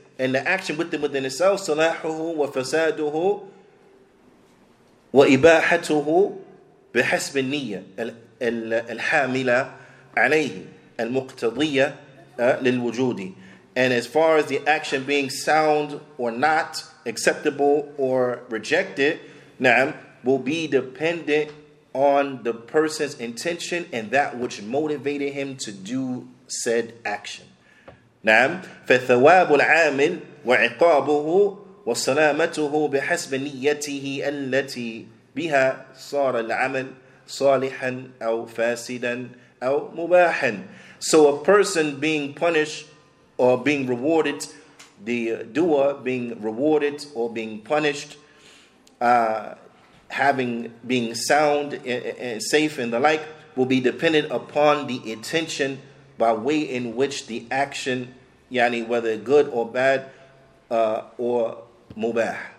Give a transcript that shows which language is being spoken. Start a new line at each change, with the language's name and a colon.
English: And the action within itself,
Arabic: صَلَاحُهُ وَفَسَادُهُ وإباحته بحسب النية الحاملة عليه المقتضية للوجود.
English: And as far as the action being sound or not, acceptable or rejected, نعم, will be dependent on the person's intention and that which motivated him to do said action.
Arabic: نعم. فثواب العامل وعقابه وسلامته بحسب نيته التي بها صار العمل صالحا أو فاسدا أو مباحا.
English: So a person being punished or being rewarded, the doer being rewarded or being punished, being sound and safe and the like, will be dependent upon the intention by way in which the action, yani whether good or bad, or mubah.